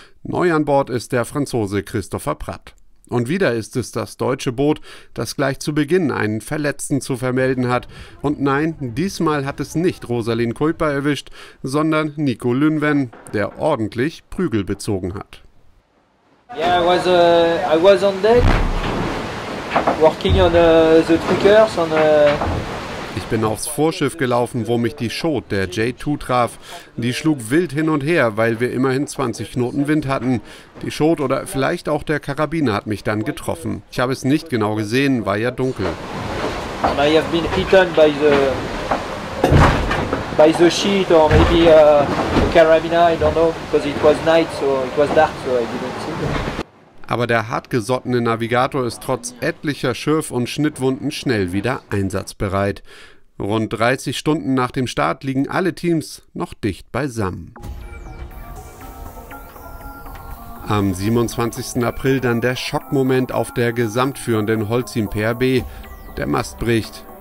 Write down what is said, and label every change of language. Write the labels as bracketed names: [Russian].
[German] Neu an Bord ist der Franzose Christopher Pratt. Und wieder ist es das deutsche Boot, das gleich zu Beginn einen Verletzten zu vermelden hat. Und nein, diesmal hat es nicht Rosalind Kuiper erwischt, sondern Nico Lünwen, der ordentlich Prügel bezogen hat. [English] Yeah, I was on deck, working on the triggers on [German] Ich bin aufs Vorschiff gelaufen, wo mich die Schot der J2 traf. Die schlug wild hin und her, weil wir immerhin 20 Knoten Wind hatten. Die Schot oder vielleicht auch der Karabiner hat mich dann getroffen. Ich habe es nicht genau gesehen, war ja dunkel. [English] And I have been hit by the sheet or maybe the carabiner, I don't know, because it was night, so it was dark, so I didn't see it. [German] Aber der hartgesottene Navigator ist trotz etlicher Schürf- und Schnittwunden schnell wieder einsatzbereit. Rund 30 Stunden nach dem Start liegen alle Teams noch dicht beisammen. Am 27. April dann der Schockmoment auf der gesamtführenden Holcim PRB. Der Mast bricht.